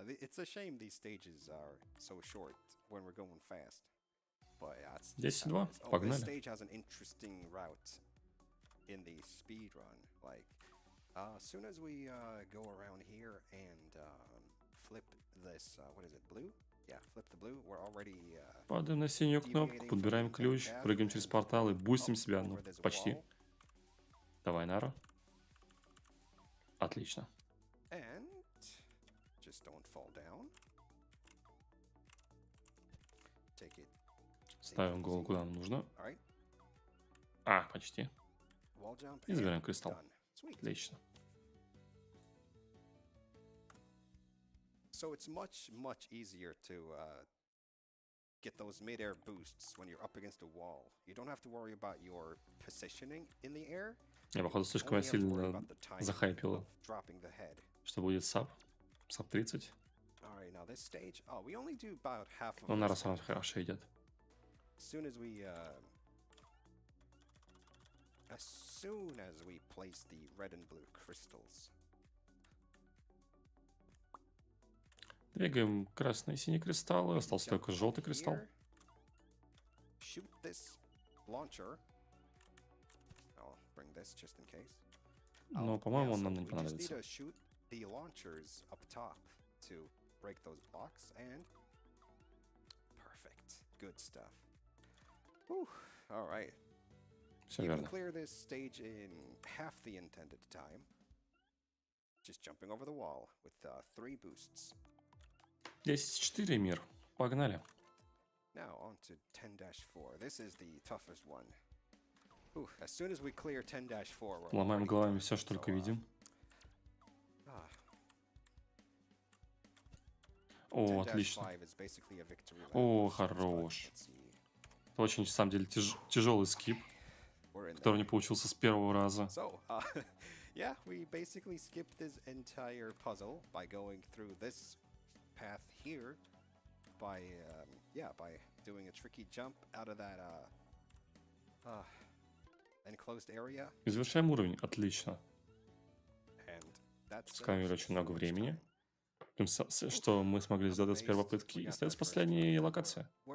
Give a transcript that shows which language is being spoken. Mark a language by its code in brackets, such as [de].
[en] It's a shame these stages are so short when we're going fast. But that's 10-2. Oh, this stage has an interesting route in the speed run. Like, as soon as we go around here and flip this, what is it, blue? Yeah, flip the blue. We're already. [ru] Падаем на синюю кнопку, подбираем ключ, прыгаем через портал и бустим себя, ну почти. Давай, Наро. Отлично. [en] And just don't fall down. Take it. [ru] Ставим голову куда нам нужно. [en] Right. [ru] А, почти. И забираем кристалл. Отлично. [en] So it's much, much easier to get those mid-air boosts when you're up against a wall. You don't have to worry about your positioning in the air. [ru] Я, походу, слишком сильно захайпил, что будет саб, саб 30. [en] All right, now this stage, oh, we only do about half of [ru] Но Наро сам хорошо идет. [en] As soon as we place the red and blue crystals. [ru] Двигаем красный и синий кристаллы, остался только желтый кристалл. [en] Shoot this launcher. I'll bring this just in case. [ru] Но, по-моему, он нам не понадобится. [en] We just need to shoot the launchers up top to break those blocks and perfect. Good stuff. Whew. All right. [ru] Все верно. [en] You can clear this stage in half the intended time. Just jumping over the wall with three boosts. [ru] 10-4, мир. Погнали. [en] Now on to 10-4. This is the toughest one. Ooh, as soon as we clear 10-4, we're [ru] ломаем головами все, что только видим. О, отлично. О, хорош. Это очень, на самом деле, тяжелый скип, который не получился с первого раза. [en] Yeah, we basically skipped this entire puzzle by going through this path here by by doing a tricky jump out of that enclosed area. [ru] И завершаем уровень. Отлично. [en] And that's [ru] сэкономили очень много времени. Что мы смогли сделать с первой попытки, и остается последняя локация.